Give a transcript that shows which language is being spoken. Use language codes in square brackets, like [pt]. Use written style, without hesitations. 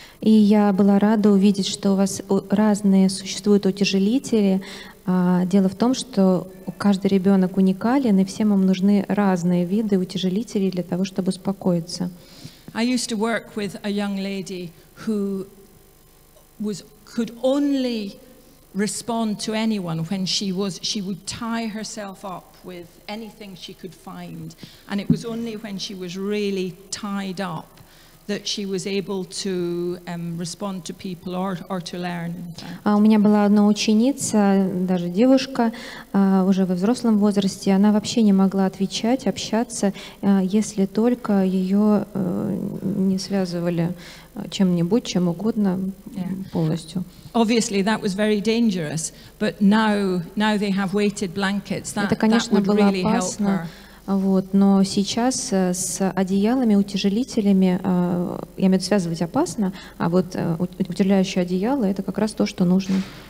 [ru] И я была рада увидеть, что у вас разные существуют утяжелители. Дело в том, что каждый ребенок уникален, и всем им нужны разные виды утяжелителей для того, чтобы успокоиться. [en] I used to work with a young lady who could only respond to anyone when she would tie herself up with anything she could find, and it was only when she was really tied up that she was able to respond to people or to learn. [ru] У меня была одна ученица, даже девушка, уже во взрослом возрасте, она вообще не могла отвечать, общаться, если только ее не связывали чем-нибудь, чем угодно, полностью. [en] Obviously, that was very dangerous, but now they have weighted blankets. [ru] Это, конечно, было опасно. Вот, но сейчас с одеялами, утяжелителями, я имею в виду, связывать опасно, а вот утяжеляющие одеяла – это как раз то, что нужно.